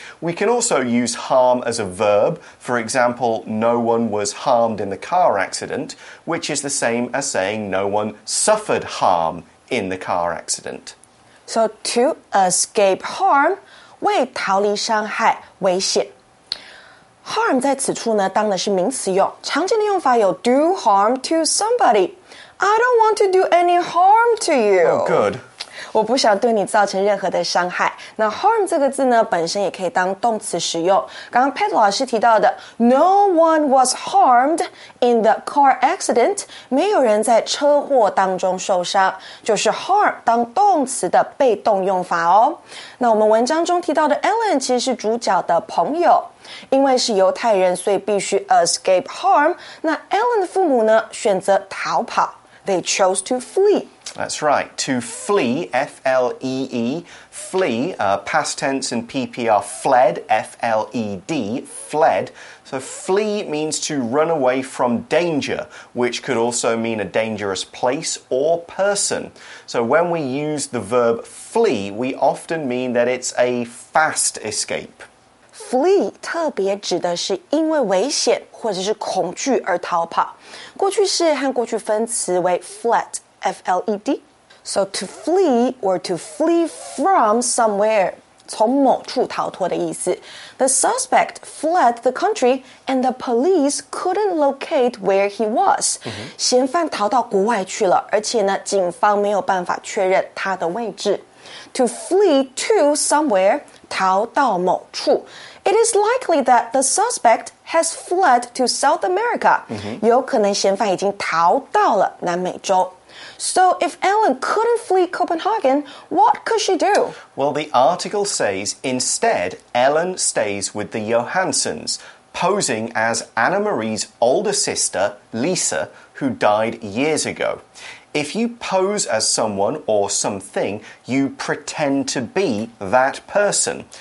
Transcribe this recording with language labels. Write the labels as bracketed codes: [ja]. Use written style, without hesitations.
[en] We can also use harm as a verb, for example, no one was harmed in the car accident, which is the same as saying no one suffered harm in the car accident. So, to escape harm, [zh] 为逃离伤害、危险。 Harm 在此处呢，当然是名词用。常见的用法有 [en] do harm to somebody. I don't want to do any harm to you. Oh, good. [zh] 我不想对你造成任何的伤害。那 harm 这个字呢，本身也可以当动词使用。刚刚 Pat 老师提到的 [en] no one was harmed in the car accident, [zh] 没有人在车祸当中受伤，就是 harm 当动词的被动用法哦。那我们文章中提到的 Ellen 其实是主角的朋友，因为是犹太人，所以必须 [en] escape harm, [zh] 那 Ellen 的父母呢，选择逃跑。 [en] They chose to flee. That's right. To flee, F-L-E-E. Flee, past tense and PPR, fled, F-L-E-D, fled. So flee means to run away from danger, which could also mean a dangerous place or person. So when we use the verb flee, we often mean that it's a fast escape. [zh] Flee 特别指的是因为危险或者是恐惧而逃跑。过去式和过去分词为 fled, F-L-E-D. [en] So to flee or to flee from somewhere, [zh] 从某处逃脱的意思。 [en] The suspect fled the country and the police couldn't locate where he was.、Mm-hmm. [zh] 嫌犯逃到国外去了而且呢警方没有办法确认他的位置。 [en] To flee to somewhere, [zh] 逃到某处 [en] It is likely that the suspect has fled to South America.、Mm-hmm. [zh] 有可能嫌犯已经逃到了南美洲。 [en] So if Ellen couldn't flee Copenhagen, what could she do? Well, the article says, instead, Ellen stays with the Johansons, posing as Anna Marie's older sister, Lisa, who died years ago. If you pose as someone or something, you pretend to be that person.